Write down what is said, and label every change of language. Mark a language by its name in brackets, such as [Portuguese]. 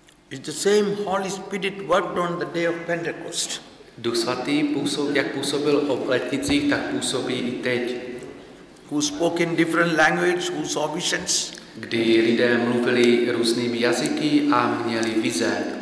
[English] It's the same Holy Spirit worked on the day of Pentecost. [Czech] Duch svatý působ, jak působil o letnicích, tak působí i teď. [English] Who spoke in different language, who saw visions. [Czech] Kdy lidé mluvili různými jazyky a měli vize.